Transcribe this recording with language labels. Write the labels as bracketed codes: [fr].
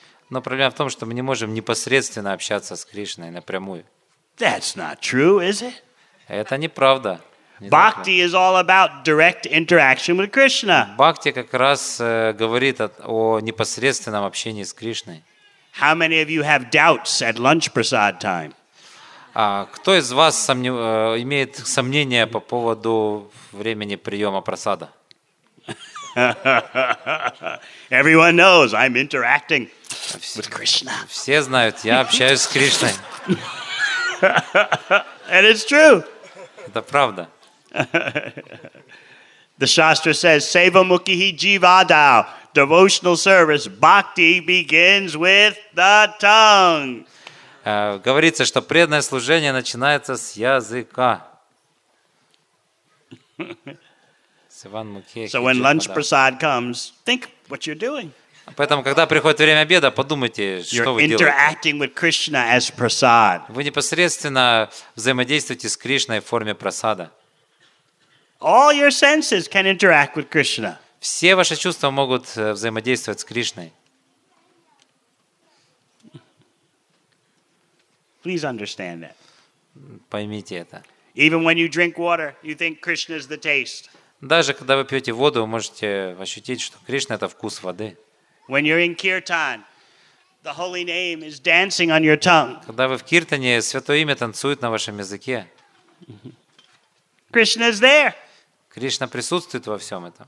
[ru] Но проблема в том, что мы не можем непосредственно общаться с Кришной напрямую. [en] That's not true, is it? [ru] Это неправда. [en] Bhakti is all about direct interaction with Krishna. [ru] Бхакти как раз говорит о непосредственном общении с Кришной. [en] How many of you have doubts at lunch prasad time? [ru] Кто из вас имеет сомнения по поводу времени приема просада? [en] Everyone knows I'm interacting with Krishna. [ru] Все знают, я общаюсь с Кришной. [en] And it's true. [ru] Это правда. [en] The Shastra says, [sa] Seva Mukhihi Jivadao. [en] Devotional service, bhakti begins with the tongue. [ru] Говорится, что преданное служение начинается с языка. [en] So when lunch prasad comes, think what you're doing. [ru] Поэтому, когда приходит время обеда, подумайте, что вы делаете. [en] You're interacting with Krishna as prasad. [ru] Вы непосредственно взаимодействуете с Кришной в форме прасада. [en] All your senses can interact with Krishna. [ru] Все ваши чувства могут взаимодействовать с Кришной. [en] Please understand that. [ru] Поймите это. [en] Even when you drink water, you think Krishna is the taste. [ru] Даже когда вы пьете воду, вы можете ощутить, что Кришна – это вкус воды. [en] When you're in kirtan, the holy name is dancing on your tongue. [ru] Когда вы в киртане, святое имя танцует на вашем языке. [en] Krishna is there. [ru] Кришна присутствует во всем этом.